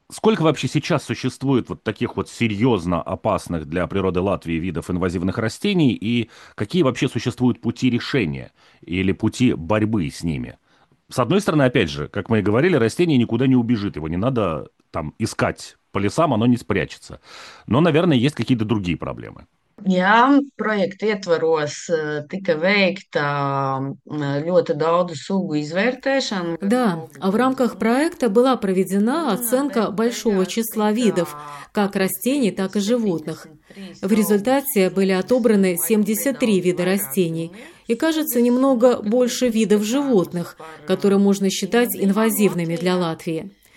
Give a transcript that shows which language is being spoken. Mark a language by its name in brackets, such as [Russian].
[Russian] Сколько вообще сейчас существует вот таких вот серьезно опасных для природы Латвии видов инвазивных растений и какие вообще существуют пути решения или пути борьбы с ними? С одной стороны, опять же, как мы и говорили, растение никуда не убежит, его не надо там искать по лесам, оно не спрячется. Но, наверное, есть какие-то другие проблемы. [Latvian] Jā, projekta ietvaros tika veikta ļoti daudzu sugu izvērtēšana. [Russian] Да, в рамках проекта была проведена оценка большого числа видов, как растений, так и животных. В результате были отобраны 73 вида растений и, кажется, немного больше видов животных, которые можно считать инвазивными для Латвии.